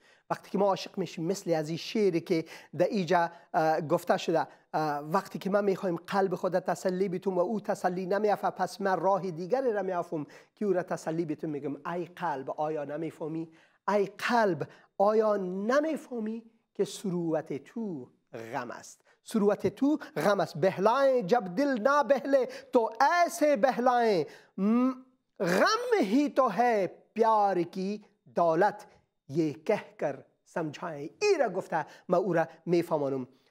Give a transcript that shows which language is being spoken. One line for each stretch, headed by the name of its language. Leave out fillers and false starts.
Persian: وقتی که ما عاشق میشیم مثل از این شعری که در ایجا گفته شده، وقتی که ما میخوایم قلب خود را تسلی بیتون و او تسلی نمیافه، پس من راه دیگر را میافم که او را تسلی بیتون، میگم ای قلب آیا نمیفهمی، ای قلب آیا نمیفهمی که سروت تو غم است، سروت تو غم است.
Urdu: بهلائیں جب دل نا بهلے تو ایسے بهلائیں، غم ہی تو ہے پیار کی دولت، یہ کہہ کر سمجھائیں.
Persian: ای را گفته ما او را میفهمانم.